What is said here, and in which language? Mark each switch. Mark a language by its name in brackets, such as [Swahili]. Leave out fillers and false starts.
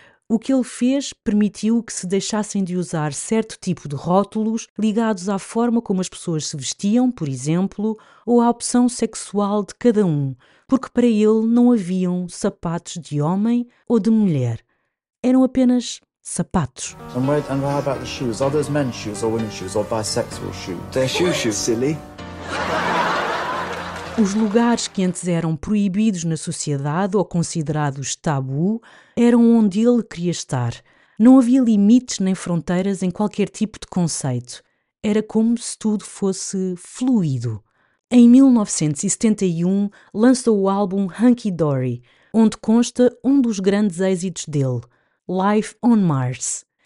[Portuguese] O que ele fez permitiu que se deixassem de usar certo tipo de rótulos ligados à forma como as pessoas se vestiam, por exemplo, ou à opção sexual de cada um, porque para ele não haviam sapatos de homem ou de mulher. Eram apenas sapatos. [English] And how about the shoes? Are those men's shoes or women's shoes or bisexual shoes? They're shoes, silly. [Portuguese] Os lugares que antes eram proibidos na sociedade ou considerados tabu eram onde ele queria estar. Não havia limites nem fronteiras em qualquer tipo de conceito. Era como se tudo fosse fluido. Em 1971, lançou o álbum Hunky Dory, onde consta um dos grandes êxitos dele, Life on Mars.